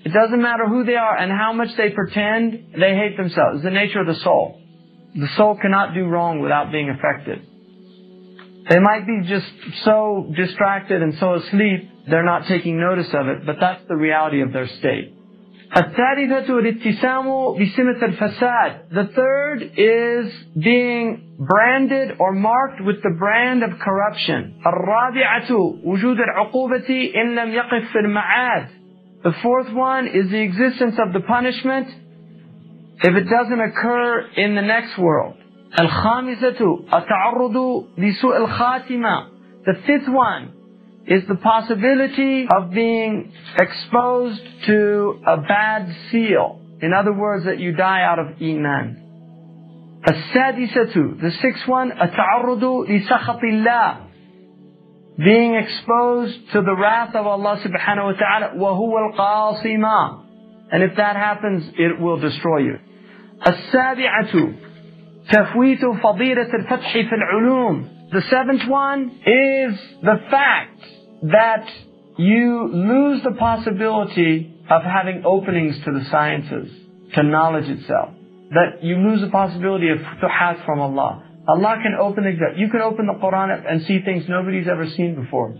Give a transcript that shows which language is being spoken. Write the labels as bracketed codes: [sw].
[en] It doesn't matter who they are and how much they pretend, they hate themselves. It's the nature of the soul. The soul cannot do wrong without being affected. They might be just so distracted and so asleep, they're not taking notice of it, but that's the reality of their state. [ar] الثالثة الاتسام بسمة الفساد. [en] The third is being branded or marked with the brand of corruption. [ar] الرابعة وجود العقوبة إن لم يقف في المعاد. [en] The fourth one is the existence of the punishment if it doesn't occur in the next world. [ar] الخامسة التعرض لسوء الخاتمة. [en] The fifth one is the possibility of being exposed to a bad seal. In other words, that you die out of iman. [ar] السادسة, [en] the sixth one, [ar] التعرض لسخط الله. [en] Being exposed to the wrath of Allah subhanahu wa ta'ala. [ar] وهو القاصمة. [en] And if that happens, it will destroy you. [ar] السابعة, تفويت فضيلة الفتح في العلوم. [en] The seventh one is the fact that you lose the possibility of having openings to the sciences, to knowledge itself. That you lose the possibility of futuhat from Allah. Allah can open the gate. You can open the Quran up and see things nobody's ever seen before.